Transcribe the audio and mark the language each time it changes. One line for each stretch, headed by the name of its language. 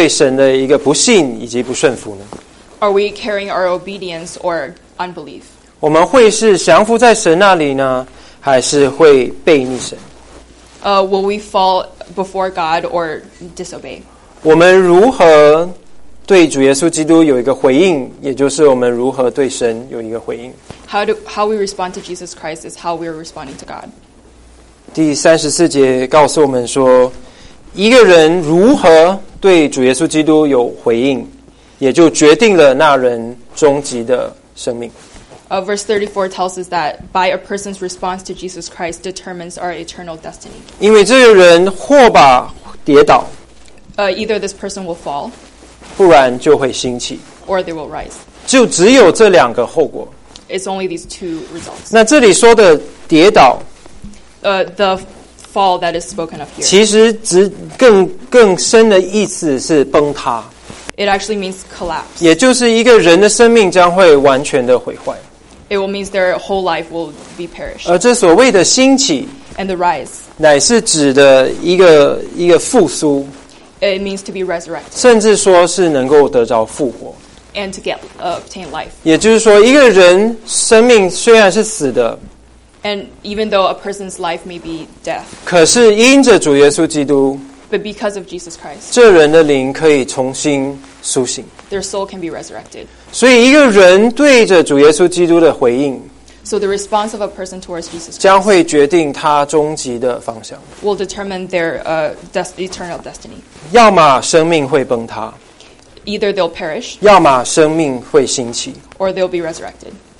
Chinese: 我们是带着对神的这样一个顺服还是对神的一个不信以及不顺服呢?
English: Are we carrying our obedience or unbelief?
Chinese: 我们会是降服在神那里呢? 还是会背逆神?
English: Will we fall before God or disobey?
Chinese: 我们如何对主耶稣基督有一个回应, 也就是我们如何对神有一个回应。
English: How we respond to Jesus Christ is how we are responding to God.
Chinese: 第三十四节告诉我们说，一个人如何对主耶稣基督有回应，也就决定了那人终极的生命。
English: Verse 34 tells us that by a person's response to Jesus Christ determines our eternal destiny.
Chinese: 因为这个人或把跌倒，
English: either this person will fall,
Chinese: 不然就会兴起，
English: or they will rise.
Chinese: 就只有这两个后果。
English: It's only these two results.
Chinese: 那这里说的跌倒，
English: the fall that is spoken of here,
Chinese: 其实只更深的意思是崩塌。
English: It actually means collapse.
Chinese: 也就是一个人的生命将会完全的毁坏。
English: It will mean their whole life will be perished.
Chinese: 而这所谓的兴起
English: and the rise
Chinese: 乃是指的一个复苏。
English: It means to be resurrected.
Chinese: 甚至说是能够得着复活。
English: And to obtain life.
Chinese: 也就是说，一个人生命虽然是死的，
English: and even though a person's life may be death,
Chinese: 可是因着主耶稣基督，
English: but because of Jesus Christ,
Chinese: 这人的灵可以重新苏醒。
English: Their soul can be resurrected.
Chinese: 所以一个人对着主耶稣基督的回应，
English: so the response of a person towards Jesus Christ,
Chinese: 将会决定他终极的方向，
English: will determine their eternal destiny.
Chinese: 要么生命会崩塌，
English: either they'll perish,
Chinese: 要么生命会兴起，
English: or they'll be resurrected.